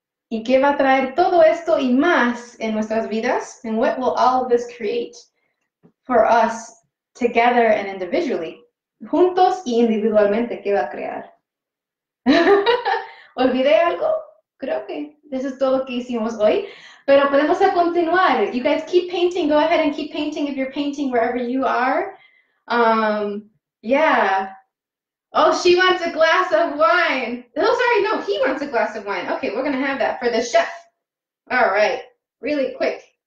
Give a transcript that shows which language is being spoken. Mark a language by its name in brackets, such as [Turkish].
[Spanish] ¿Y qué va a traer todo esto y más en nuestras vidas? [English] And what will all of this create for us together and individually? [Spanish] Juntos y individualmente, ¿qué va a crear? ¿Olvidé algo? Creo que eso es todo que hicimos hoy. Pero podemos continuar. [English] You guys keep painting. Go ahead and keep painting if you're painting wherever you are. Yeah. Oh, she wants a glass of wine. Oh, sorry. No, he wants a glass of wine. Okay, we're going to have that for the chef. All right. Really quick.